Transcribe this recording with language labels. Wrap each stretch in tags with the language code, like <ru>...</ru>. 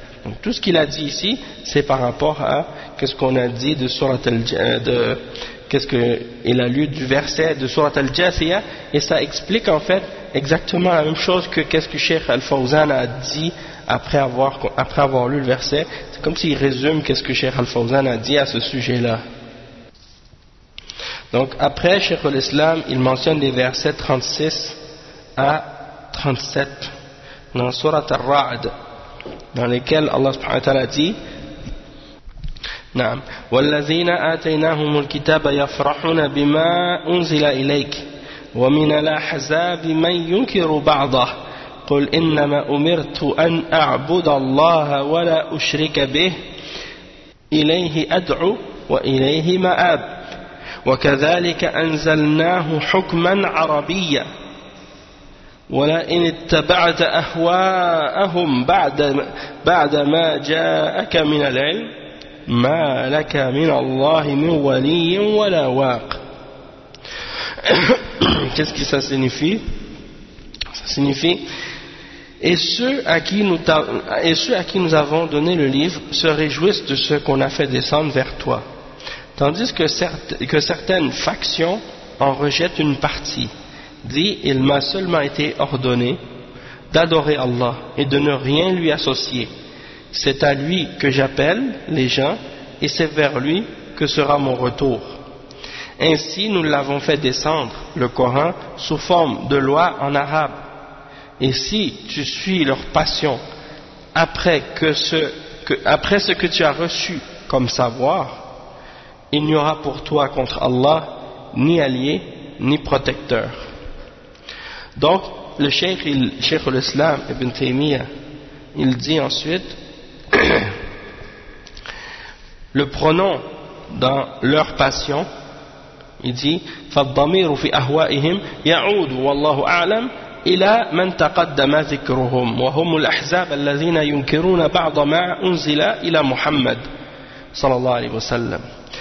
<fr>Donc, tout ce qu'il a dit ici, c'est par rapport à qu'est-ce qu'on a dit de Sourate qu'est-ce qu'il a lu du verset de Sourate Al-Jathiyah, et ça explique en fait exactement la même chose que qu'est-ce que Cheikh Al-Fawzan a dit après avoir lu le verset. C'est comme s'il résume qu'est-ce que Cheikh Al-Fawzan a dit à ce sujet-là. Donc après, Cheikh Al-Islam, il mentionne les versets 36 à 37 dans Sourate Ar-Ra'd, dans lesquels Allah subhanahu wa ta'ala dit:</fr> <ar>نعم والذين آتيناهم الكتاب يفرحون بما أنزل إليك ومن الأحزاب من ينكر بعضه قل إنما أمرت أن أعبد الله ولا أشرك به إليه أدعو وإليه مآب وكذلك أنزلناه حكما عربيا ولئن اتبعت أهواءهم بعدما جاءك من العلم ما لك من الله من ولي ولا واق.</ar> <fr>Qu'est-ce que ça signifie? Ça signifie: et ceux à qui nous avons donné le livre se réjouissent de ce qu'on a fait descendre vers toi, tandis que certaines factions en rejettent une partie. Dis: il m'a seulement été ordonné d'adorer Allah et de ne rien lui associer. C'est à lui que j'appelle les gens et c'est vers lui que sera mon retour. Ainsi, nous l'avons fait descendre, le Coran, sous forme de loi en arabe. Et si tu suis leur passion après ce que tu as reçu comme savoir, il n'y aura pour toi contre Allah ni allié ni protecteur. Donc, le cheikh al-Islam Ibn Taymiyyah, il dit ensuite: le pronom dans leur passion, il dit:</fr> <ar>فَالضَّمِيرُ فِي أَهْوَائِهِمْ يَعُودُ وَاللَّهُ أَعْلَمُ إِلَى مَنْ تَقَدَّمَ ذِكْرُهُمْ وَهُمُ الْأَحْزَابَ الَّذِينَ يُنْكِرُونَ بَعْضَ مَا أُنْزِلَ إِلَى مُحَمَّدٍ صَلَى اللَّهُ عَلَيْهِ وَسَلَّمُ.</ar>